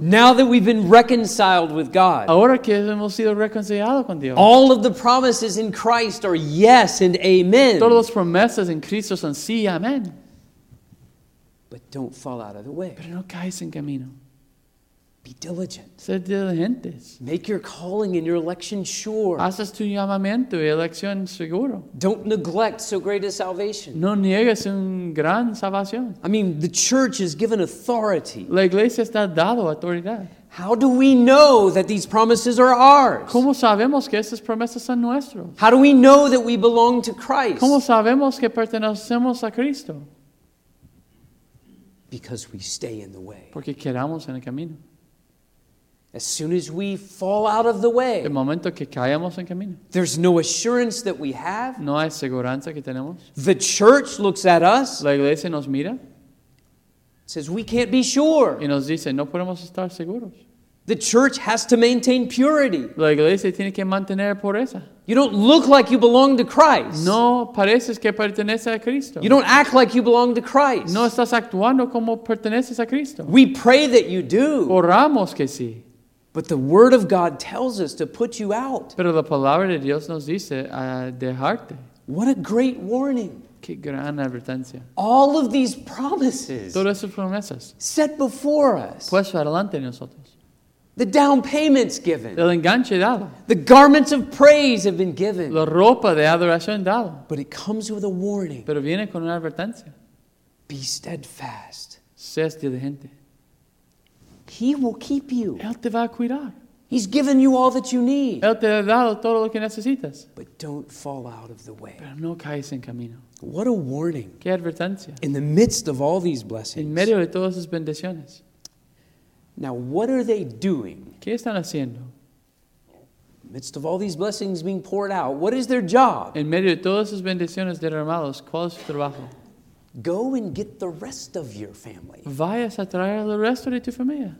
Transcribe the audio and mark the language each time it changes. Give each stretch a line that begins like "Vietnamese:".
English: Now that we've been reconciled with God,
Spanish: ahora que hemos sido reconciliados con Dios.
English: All of the promises in Christ are yes and amen.
Spanish: Todas las promesas en Cristo son sí y amén.
English: But don't fall out of the way.
Spanish: Pero no caes en camino.
English: Be diligent.
Spanish: Sed diligentes.
English: Make your calling and your election sure.
Spanish: Haces tu llamamiento y elección seguro.
English: Don't neglect so great a salvation.
Spanish: No niegues una gran salvación.
English: I mean, the church is given authority.
Spanish: La iglesia está dado autoridad.
English: How do we know that these promises are ours?
Spanish: ¿Cómo sabemos que estas promesas son nuestras?
English: How do we know that we belong to Christ?
Spanish: ¿Cómo sabemos que pertenecemos a Cristo?
English: Because we stay in the way.
Spanish: Porque quedamos en el camino.
English: As soon as we fall out of the way,
Spanish: el momento que caemos en camino,
English: there's no assurance that we have.
Spanish: No hay seguridad que tenemos.
English: The church looks at us.
Spanish: La iglesia nos mira.
English: Says we can't be sure.
Spanish: Y nos dice, no podemos estar seguros.
English: The church has to maintain purity.
Spanish: La iglesia tiene que mantener pureza.
English: You don't look like you belong to Christ.
Spanish: No pareces que perteneces a Cristo.
English: You don't act like you belong to Christ.
Spanish: No estás actuando como perteneces a Cristo.
English: We pray that you do.
Spanish: Oramos que sí.
English: But the word of God tells us to put you out.
Spanish: Pero la palabra de Dios nos dice a dejarte.
English: What a great warning.
Spanish: Qué gran advertencia.
English: All of these promises.
Spanish: Todas esas promesas.
English: Set before us.
Spanish: Puesto adelante nosotros.
English: The down payment's given.
Spanish: El enganche dado.
English: The garments of praise have been given.
Spanish: La ropa de adoración dado.
English: But it comes with a warning.
Spanish: Pero viene con una advertencia.
English: Be steadfast.
Spanish: Seas diligente.
English: He will keep you.
Spanish: Él te va a cuidar.
English: He's given you all that you need.
Spanish: Él te ha dado todo lo que necesitas.
English: But don't fall out of the way.
Spanish: Pero no caes en camino.
English: What a warning.
Spanish: Qué advertencia.
English: In the midst of all these blessings.
Spanish: En medio de todas esas bendiciones.
English: Now, what are they doing?
Spanish: ¿Qué están haciendo?
English: In the midst of all these blessings being poured out, what is their job?
Spanish: En medio de todas esas bendiciones derramadas, ¿cuál es su trabajo?
English: Go and get the rest of your family.
Spanish: Vayas a traer el resto de tu familia.